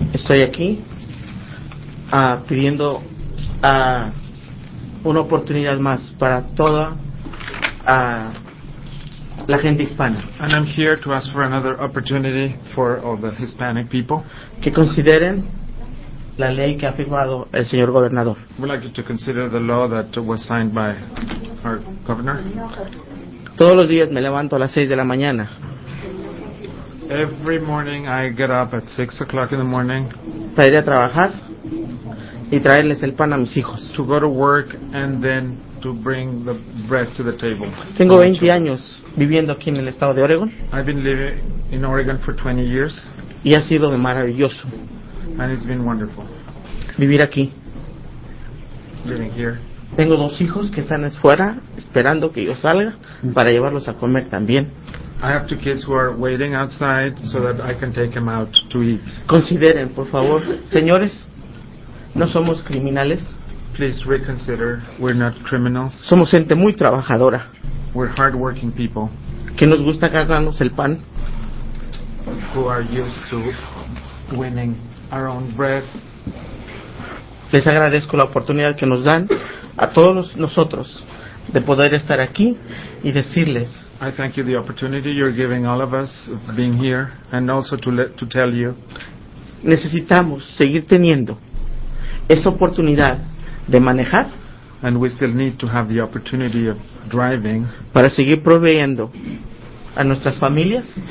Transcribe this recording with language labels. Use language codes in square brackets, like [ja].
[es] Estoy aquí pidiendo una oportunidad más para toda la gente hispana. [en] And I'm here to ask for another opportunity for all the Hispanic people. [es] Que consideren la ley que ha firmado el señor gobernador. [en] Would like you to consider the law that was signed by our governor. [es] Todos los días me levanto a las 6 de la mañana. [en] Every morning I get up at 6:00 in the morning. [es] Para ir a trabajar y traerles el pan a mis hijos. [en] To go to work and then to bring the bread to the table. [es] Tengo 20 años viviendo aquí en el estado de Oregon. [en] I've been living in Oregon for 20 years. [es] Y ha sido de maravilloso. [en] And it's been wonderful. [es] Vivir aquí. [en] Living here. [es] Tengo dos hijos que están afuera esperando que yo salga para llevarlos a comer también. [en] I have two kids who are waiting outside so that I can take them out to eat. [es] Consideren, por favor. Señores, no somos criminales. [en] Please reconsider. We're not criminals. [es] Somos gente muy trabajadora. [en] We're hardworking people. [es] Que nos gusta ganarnos el pan. [en] Who are used to winning our own bread. [es] Les agradezco la oportunidad que nos dan a todos nosotros de poder estar aquí y decirles. [en] I thank you the opportunity you're giving all of us of being here and also to tell you. [es] Necesitamos seguir teniendo esa oportunidad de manejar. [en] And we still need to have the opportunity of driving. [es] Para seguir proveyendo a nuestras familias.